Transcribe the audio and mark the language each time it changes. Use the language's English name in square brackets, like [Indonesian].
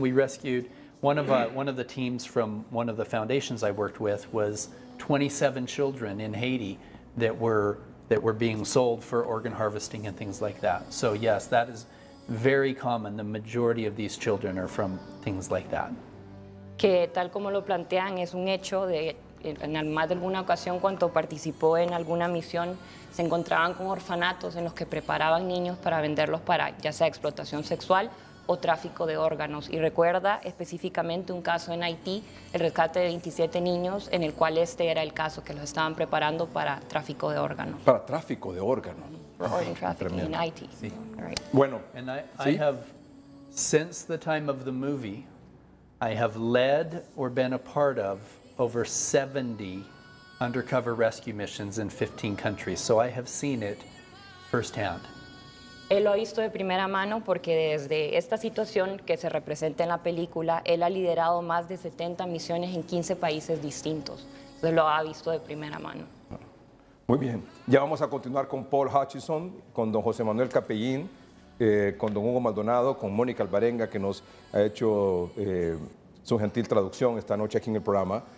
[English] We rescued one of the teams from one of the foundations I worked with was 27 children in Haiti that were being sold for organ harvesting and things like that. So yes, that is very common. The majority of these children are from things like that. [Spanish] Que tal como lo plantean es un hecho de en más de alguna ocasión cuando participó en alguna misión se encontraban con orfanatos en los que preparaban niños para venderlos para ya sea explotación sexual o tráfico de órganos. Y recuerda específicamente un caso en Haití, el rescate de 27 niños, en el cual este era el caso, que los estaban preparando para tráfico de órganos. Para tráfico de órganos. [English] Organ trafficking in Haití. [Spanish] Sí. Right. Bueno. [English] And I have, since the time of the movie, I have led or been a part of over 70 undercover rescue missions in 15 countries. So I have seen it firsthand. [Spanish] Él lo ha visto de primera mano porque desde esta situación que se representa en la película, él ha liderado más de 70 misiones en 15 países distintos. Entonces lo ha visto de primera mano. Muy bien. Ya vamos a continuar con Paul Hutchison, con don José Manuel Capellín, con don Hugo Maldonado, con Mónica Alvarenga, que nos ha hecho su gentil traducción esta noche aquí en el programa.